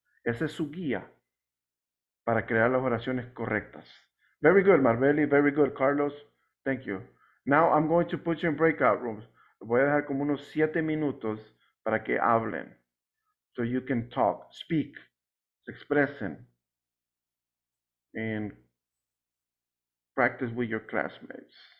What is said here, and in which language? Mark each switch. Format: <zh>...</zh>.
<es>Esa es su guía para crear las oraciones correctas.</es> <en>Very good, Marbeli. Very good, Carlos. Thank you. Now I'm going to put you in breakout rooms.</en> <es>Voy a dejar como unos 7 minutos para que hablen.</es> <en>So you can talk, speak, expressen, and practice with your classmates.</en>